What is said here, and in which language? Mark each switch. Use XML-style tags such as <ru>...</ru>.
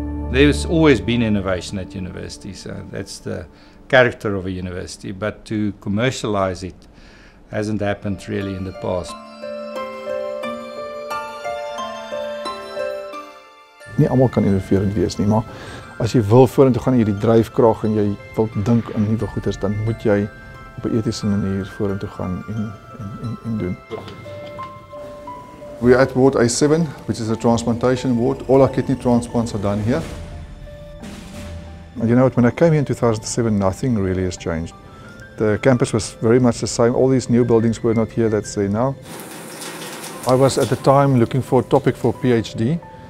<en>There's always been innovation at universities, so that's the character of a university, but to commercialize it hasn't happened really in the past.</en> <af>Nie almal kan innoveerend wees nie, maar as jy wil vorentoe gaan, hierdie dryfkrag en jy wil dink aan nuwe goeders, dan moet jy op 'n etiese manier vorentoe gaan en doen.</af> <en>We are at ward A7, which is a transplantation ward. All our kidney transplants are done here. And you know what, when I came here in 2007, nothing really has changed. The campus was very much the same. All these new buildings were not here, that's there now. I was at the time looking for a topic for a PhD.</en>